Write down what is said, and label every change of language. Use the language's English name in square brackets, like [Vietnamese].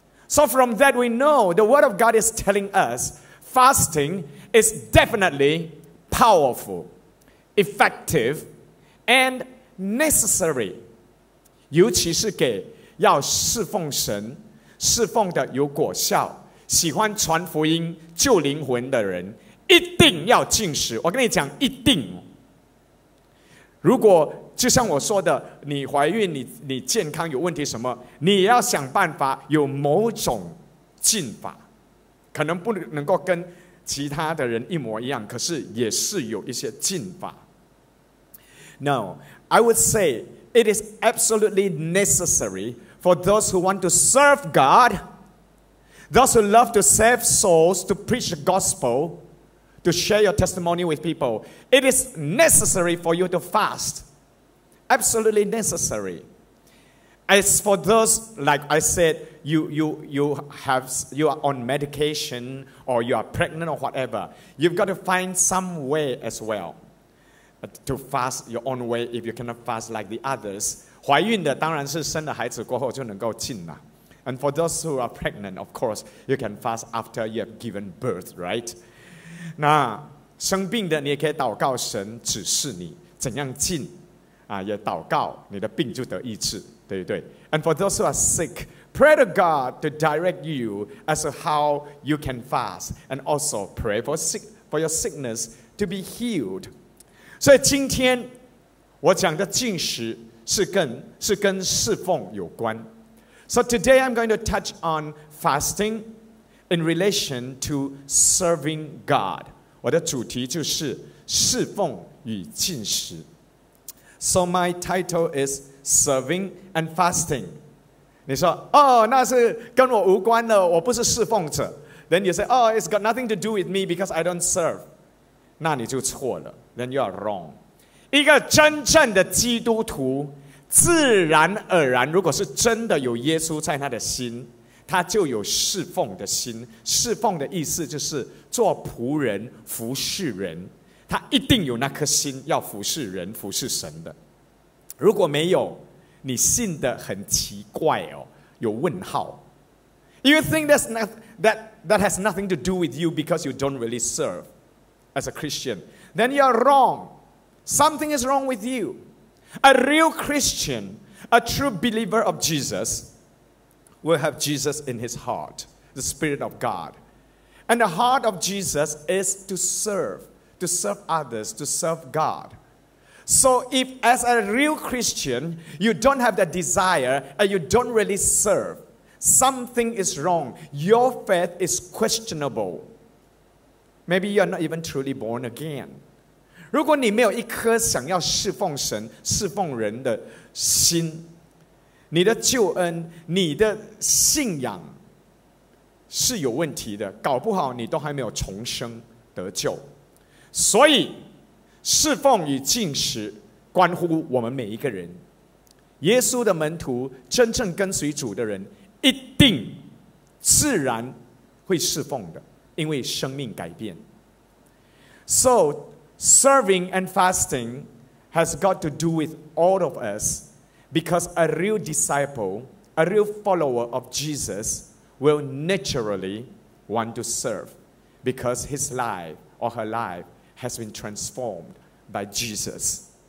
[English] So from that we know the word of God is telling us fasting is definitely powerful, effective, and necessary. [Chinese] 尤其是给要侍奉神，侍奉的有果效，喜欢传福音救灵魂的人，一定要禁食。我跟你讲，一定。如果就像我说的，你怀孕， 你健康有问题什么，你也要想办法有某种禁法，可能不能够跟其他的人一模一样，可是也是有一些禁法。 [English] No, I would say it is absolutely necessary for those who want to serve God, those who love to save souls, to preach the gospel, to share your testimony with people. It is necessary for you to fast. Absolutely necessary. As for those, like I said, you are on medication or you are pregnant or whatever, you've got to find some way as well to fast your own way if you cannot fast like the others. [Chinese] 怀孕的当然是生了孩子过后就能够禁了。 [English] And for those who are pregnant, of course, you can fast after you have given birth, right? [Chinese] 那生病的你也可以祷告神指示你怎样禁啊，也祷告你的病就得医治，对不对？ [English] And for those who are sick, pray to God to direct you as to how you can fast, and also pray for your sickness to be healed. [Chinese] 所以今天我讲的禁食是跟侍奉有关。 [English] So today I'm going to touch on fasting in relation to serving God. [Chinese] 我的主题就是侍奉与禁食。 [English] So my title is Serving and Fasting. [Chinese] 你说，哦，那是跟我无关的，我不是侍奉者。 [English] Then you say, oh, it's got nothing to do with me because I don't serve. [Chinese] 那你就错了。 [English] Then you are wrong. [Chinese] 一个真正的基督徒自然而然，如果是真的有耶稣在他的心，他就有侍奉的心。侍奉的意思就是做仆人，服侍人。他一定有那颗心要服侍人，服侍神的。如果没有，你信得很奇怪哦，有问号。 [English] You think that's not, that has nothing to do with you because you don't really serve as a Christian. Then you are wrong. Something is wrong with you. A real Christian, a true believer of Jesus, will have Jesus in his heart, the Spirit of God. And the heart of Jesus is to serve others, to serve God. So if as a real Christian, you don't have the desire and you don't really serve, something is wrong. Your faith is questionable. Maybe you are not even truly born again. [Chinese] 如果你没有一颗想要侍奉神、侍奉人的心，你的救恩、你的信仰是有问题的，搞不好你都还没有重生得救。所以，侍奉与禁食关乎我们每一个人。耶稣的门徒，真正跟随主的人，一定自然会侍奉的，因为生命改变。 [English] So serving and fasting has got to do with all of us, because a real disciple, a real follower of Jesus will naturally want to serve, because his life or her life has been transformed by Jesus.